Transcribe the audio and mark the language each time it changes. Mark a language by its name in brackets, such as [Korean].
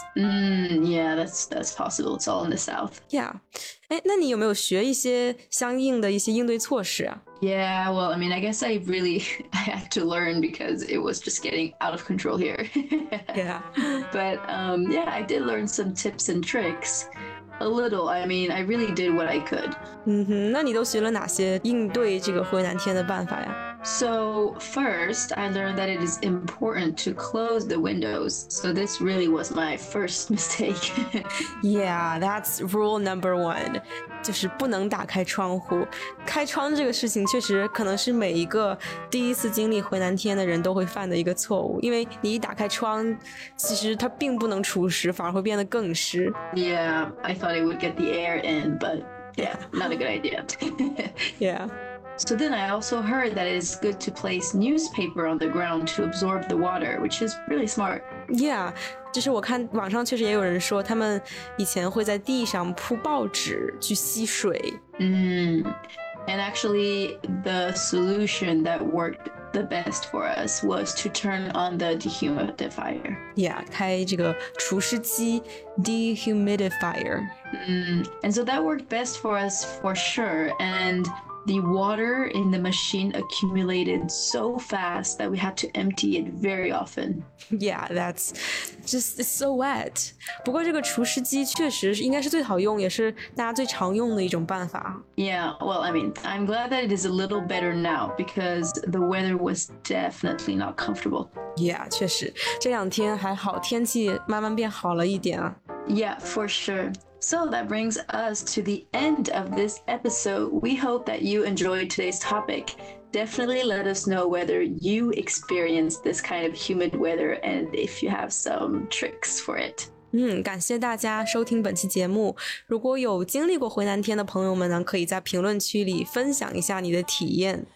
[English] Yeah, that's possible. It's all in the south. Yeah. [Chinese] 诶，那你有没有学一些相应的一些应对措施啊？ [English] Yeah, well, I mean, I guess I had to learn because it was just getting out of control here. Yeah. But yeah, I did learn some tips and tricks. A little, I mean, I really did what I could. [Chinese] 那你都学了哪些应对这个回南天的办法呀？ [English] So first, I learned that it is important to close the windows. So this really was my first mistake. Yeah, that's rule number one. [Chinese] 就是不能打开窗户，开窗这个事情确实可能是每一个第一次经历回南天的人都会犯的一个错误，因为你一打开窗，其实它并不能除湿，反而会变得更湿。 [English] Yeah, I thought it would get the air in, but yeah, not a good idea. Yeah. So then I also heard that it is good to place newspaper on the ground to absorb the water, which is really smart. Yeah. [Chinese] 就是我看网上确实也有人说他们以前会在地上铺报纸去吸水。 [English] And actually the solution that worked the best for us was to turn on the dehumidifier. [Chinese] Yeah, 开这个除湿机 dehumidifier. [English] And so that worked best for us for sure. And the water in the machine accumulated so fast that we had to empty it very often. Yeah, that's... Just it's so wet. [Chinese] 不过这个除湿机确实应该是最好用，也是大家最常用的一种办法。 [English] Yeah, well, I mean, I'm glad that it is a little better now because the weather was definitely not comfortable. [Chinese] Yeah, 确实，这两天还好，天气慢慢变好了一点啊。 [English] Yeah, for sure. So that brings us to the end of this episode. We hope that you enjoyed today's topic. Definitely let us know whether you experience this kind of humid weather and if you have some tricks for it. [Chinese] 感谢大家收听本期节目。如果有经历过回南天的朋友们呢，可以在评论区里分享一下你的体验。